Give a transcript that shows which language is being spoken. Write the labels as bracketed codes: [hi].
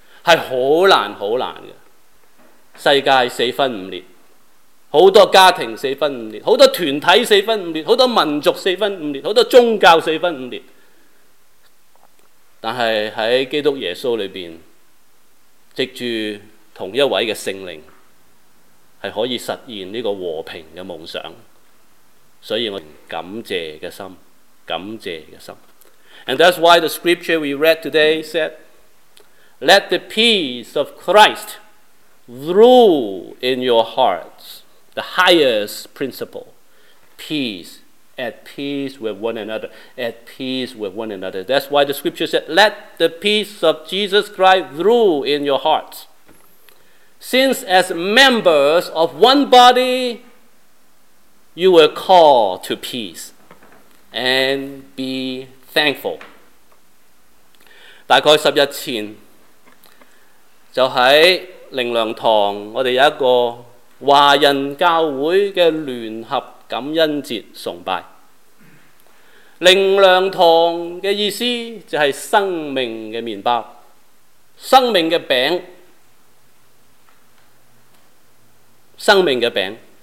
[zh] 是很难很难的，世界四分五裂，很多家庭四分五裂，很多团体四分五裂，很多民族四分五裂，很多宗教四分五裂，但是在基督耶稣里面，藉着同一位的圣灵，是可以实现这个和平的梦想。所以我感谢的心，感谢的心。 [en] And that's why the scripture we read today said, Let the peace of Christ rule in your hearts, the highest principle, peace, at peace with one another, at peace with one another. That's why the scripture said, Let the peace of Jesus Christ rule in your hearts. Since as members of one body,You were called to peace and be thankful. [zh] 大概十日前，就在灵粮堂，我们有一个华人教会的联合感恩节崇拜。灵粮堂的意思就是生命的面包，生命的饼，生命的饼。